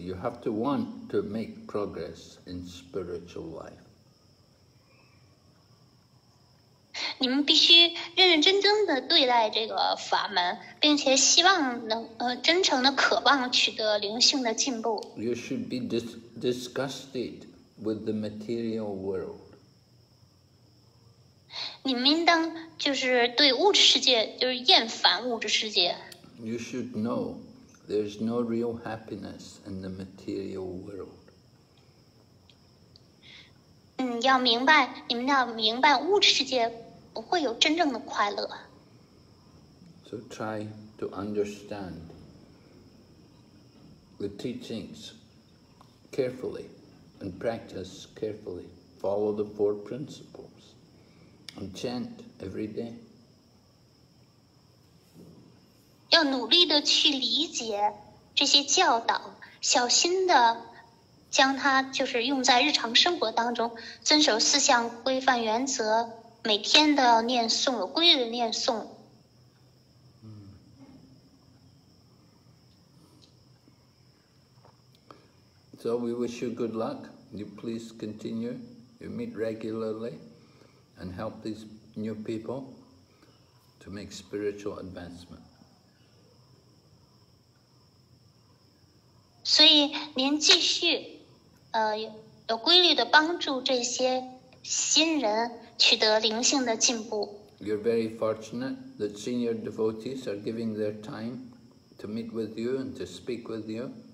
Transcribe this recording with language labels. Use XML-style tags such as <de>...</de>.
<en>You have to want to make progress in spiritual life.</en> <zh>你们必须认认真真的对待这个法门，并且希望能真诚的渴望取得灵性的进步。</zh> <en>You should be disgusted with the material world.</en> <zh>你们应当就是对物质世界就是厌烦物质世界。</zh> <en>You should know there's no real happiness in the material world.</en> <zh>要明白，你们要明白，物质世界不会有真正的快乐。</zh> <en>So try to understand the teachings carefully and practice carefully. Follow the four principles and chant every day.</en> <zh>要努力的去理解这些教导，小心的。将它就是用在日常生活当中，遵守四项规范原则，每天都要念诵，有规律的念诵。</zh> <en>So we wish you good luck. You please continue. You meet regularly and help these new people to make spiritual advancement.</en> <zh>所以您继续。有规律的帮助这些新人取得灵性的进步。</zh> <en>You're very fortunate that senior devotees are giving their time to meet with you and to speak with you.</en>